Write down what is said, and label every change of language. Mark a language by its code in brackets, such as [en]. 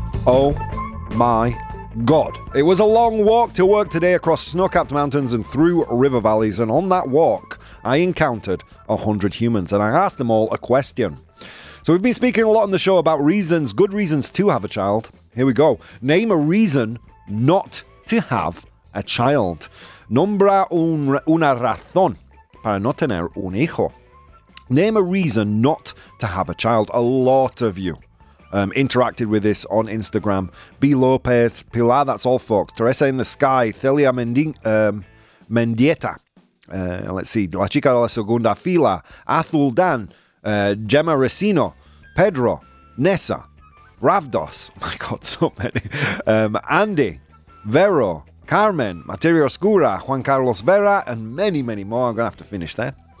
[en] Oh my God. It was a long walk to work today across snow-capped mountains and through river valleys. And on that walk, I encountered 100 humans and I asked them all a question. So we've been speaking a lot on the show about reasons, good reasons to have a child. Here we go. Name a reason not to have a child. [es] Nombra una razón para no tener un hijo. [en] Name a reason not to have a child. A lot of you interacted with this on Instagram. B. Lopez, Pilar, that's all folks. Teresa in the Sky, Celia Mendieta. Let's see, La Chica de la Segunda Fila, Athul Dan, Gemma Recino, Pedro, Nessa, Ravdos, my God, so many, Andy, Vero, Carmen, Materia Oscura, Juan Carlos Vera, and many, many more. I'm going to have to finish there.